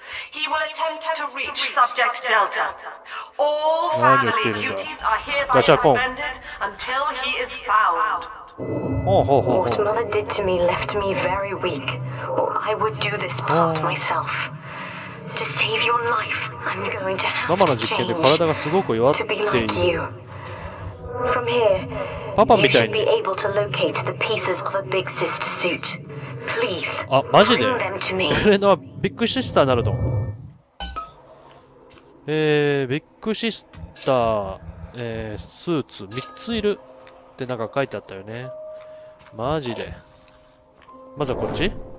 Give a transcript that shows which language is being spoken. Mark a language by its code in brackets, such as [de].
[en] He will attempt to reach subject Delta. All family duties are hereby suspended until he is found. What mother did to me left me very weak. Or I would do this part myself. To save your life, I'm going to have [ja] ママの実験で体がすごく弱っている。 [en] To be like you. From here, [ja] パパみたいに。 [en] You should be able to locate the pieces of a big sister suit. [ja] あ、マジで? エレナはビッグシスターになるの? ビッグシスター、スーツ3ついるってなんか書いてあったよね。マジで。まずはこっち。